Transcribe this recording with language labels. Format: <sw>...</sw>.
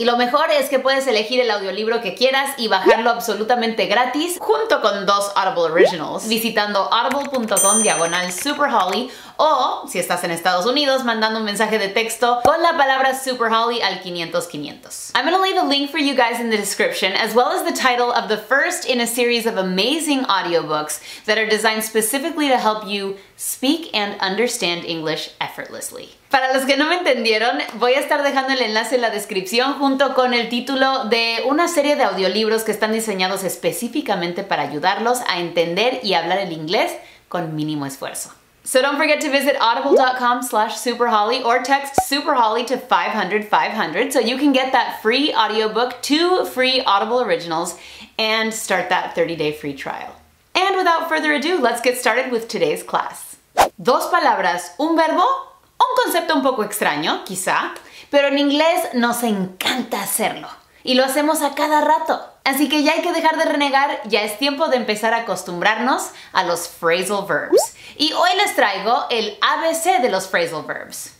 <es>Y lo mejor es que puedes elegir el audiolibro que quieras y bajarlo absolutamente gratis, junto con dos Audible Originals, visitando audible.com/superholly o, si estás en Estados Unidos, mandando un mensaje de texto con la palabra superholly al 500-500.</es> <en>I'm going to leave a link for you guys in the description, as well as the title of the first in a series of amazing audiobooks that are designed specifically to help you speak and understand English effortlessly.</en> <es>Para los que no me entendieron, voy a estar dejando el enlace en la descripción junto con el título de una serie de audiolibros que están diseñados específicamente para ayudarlos a entender y hablar el inglés con mínimo esfuerzo.</es> <en>So don't forget to visit audible.com/superholly or text superholly to 500-500 so you can get that free audiobook, two free Audible Originals, and start that 30-day free trial. And without further ado, let's get started with today's class.</en> <es>Dos palabras, un verbo, un concepto un poco extraño, quizá, pero en inglés nos encanta hacerlo. Y lo hacemos a cada rato. Así que ya hay que dejar de renegar, ya es tiempo de empezar a acostumbrarnos a los phrasal verbs. Y hoy les traigo el ABC de los phrasal verbs.</es>